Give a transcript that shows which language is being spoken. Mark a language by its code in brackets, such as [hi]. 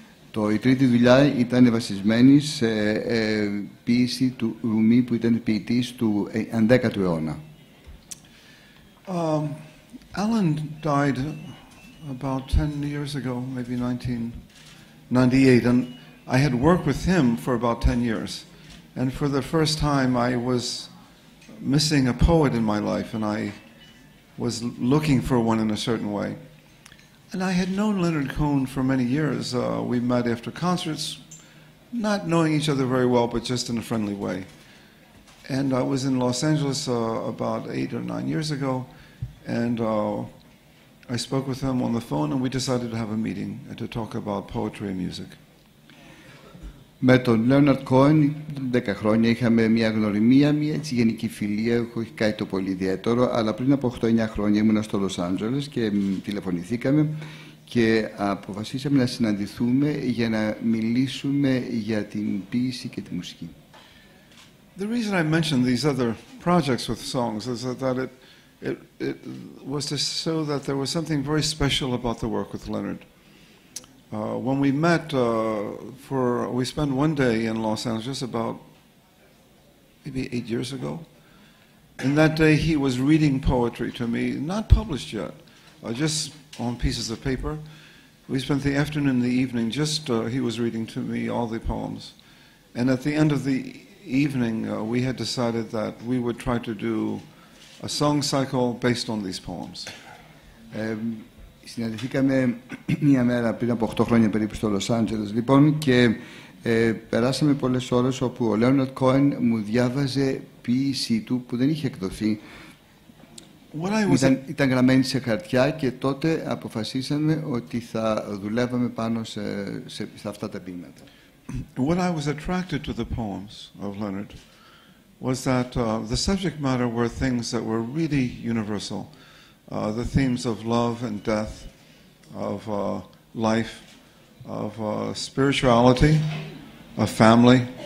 [el] Το η τρίτη δουλειά ήταν βασισμένη σε ποίηση του Ρουμί που ήταν ποιητής του 11ου αιώνα. [en] Alan died about 10 years ago, maybe 1998, and I had worked with him for about 10 years. And for the first time, I was missing a poet in my life, and I was looking for one in a certain way. And I had known Leonard Cohen for many years. We met after concerts, not knowing each other very well, but just in a friendly way. And I was in Los Angeles about 8 or 9 years ago, and I spoke with him on the phone, and we decided to have a meeting to talk about poetry and music. [el] Με τον Leonard Cohen, 10 χρόνια, είχαμε μια γνωριμία, μια έτσι γενική φιλία, όχι κάτι το πολύ ιδιαίτερο, αλλά πριν από 8-9 χρόνια ήμουνα στο Los Angeles και τηλεφωνηθήκαμε και αποφασίσαμε να συναντηθούμε για να μιλήσουμε για την ποίηση και τη μουσική. [en] The reason I mentioned these other projects with songs is that it was to show that there was something very special about the work with Leonard. When we met, we spent one day in Los Angeles about maybe 8 years ago. And that day he was reading poetry to me, not published yet, just on pieces of paper. We spent the afternoon and the evening just he was reading to me all the poems. And at the end of the evening, we had decided that we would try to do a song cycle based on these poems. [el] Συναντηθήκαμε μία μέρα πριν από 8 χρόνια περίπου στο Λος Άντζελες, λοιπόν, και περάσαμε πολλές ώρες όπου ο Λέοναρντ Κόεν μου διάβαζε ποίησή του που δεν είχε εκδοθεί. Ήταν γραμμένη σε χαρτιά και τότε αποφασίσαμε ότι θα δουλεύαμε πάνω σε αυτά τα ποίηματα. [en] What I was attracted to the poems of Leonard was that the subject matter were things that were really universal. The themes of love and death, of life, of spirituality, of family.